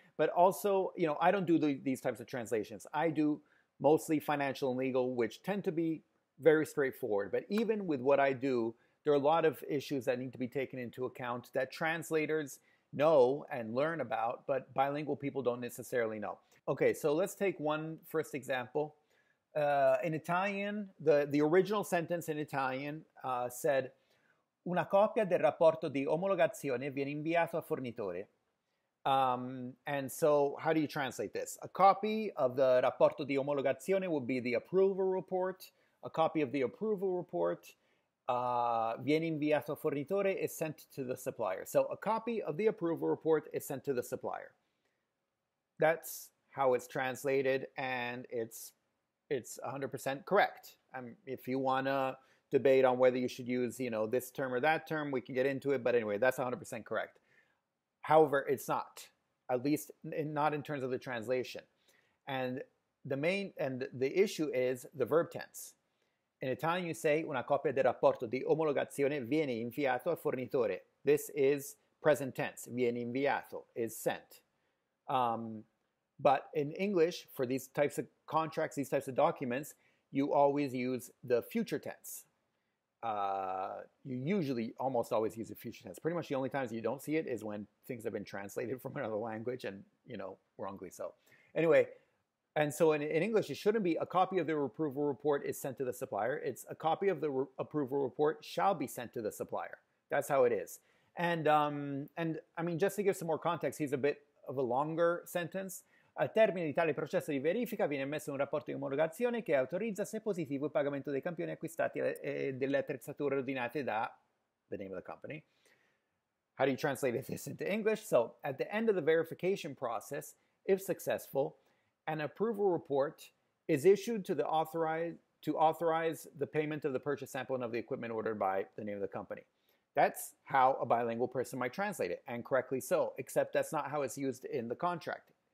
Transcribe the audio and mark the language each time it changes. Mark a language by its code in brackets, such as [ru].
[en] But also, you know, I don't do these types of translations. I do mostly financial and legal, which tend to be very straightforward. But even with what I do, there are a lot of issues that need to be taken into account that translators know and learn about, but bilingual people don't necessarily know. Okay, so let's take one first example. In Italian, the original sentence in Italian said, [it] una copia del rapporto di omologazione viene inviato al fornitore. [en] And so how do you translate this? A copy of the [it] rapporto di omologazione [en] would be the approval report. A copy of the approval report [it] viene inviato al fornitore, [en] is sent to the supplier. So a copy of the approval report is sent to the supplier. That's how it's translated, and it's 100% correct. If you want to debate on whether you should use, you know, this term or that term, we can get into it. But anyway, that's 100% correct. However, it's not, at least not in terms of the translation. And the issue is the verb tense. In Italian, you say, [it] una copia del rapporto di omologazione viene inviato al fornitore. [en] This is present tense. [it] Viene inviato, [en] is sent. But in English, for these types of contracts, these types of documents, you always use the future tense. You usually almost always use the future tense. Pretty much the only times you don't see it is when things have been translated from another language and, you know, wrongly so. Anyway, and so in English, it shouldn't be a copy of the approval report is sent to the supplier. It's a copy of the approval report shall be sent to the supplier. That's how it is. And I mean, just to give some more context, here's a bit of a longer sentence. [it] Al termine di tale processo di verifica viene emesso un rapporto di omologazione che autorizza, se positivo, il pagamento dei campioni acquistati e delle attrezzature ordinate da [en] the name of the company. How do you translate this into English? So, at the end of the verification process, if successful, an approval report is issued to the authorize the payment of the purchase sample and of the equipment ordered by the name of the company. That's how a bilingual person might translate it, and correctly so, except that's not how it's used in the contract.